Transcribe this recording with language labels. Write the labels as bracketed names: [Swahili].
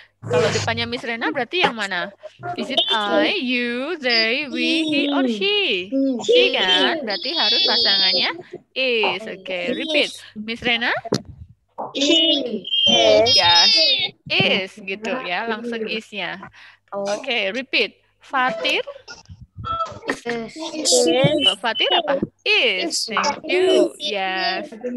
[Indonesian] Kalau depannya Miss Rena berarti yang mana? [English] Is it I, you, they, we, he, or she? She [Indonesian] kan? Berarti harus pasangannya is. [English] Okay, repeat. Miss Rena? Yes. Is, [Indonesian] gitu ya. Langsung [English] is-nya. Okay, repeat. Fatir? Is. Fatir [Indonesian] apa? [English] Is. Thank you. Yes.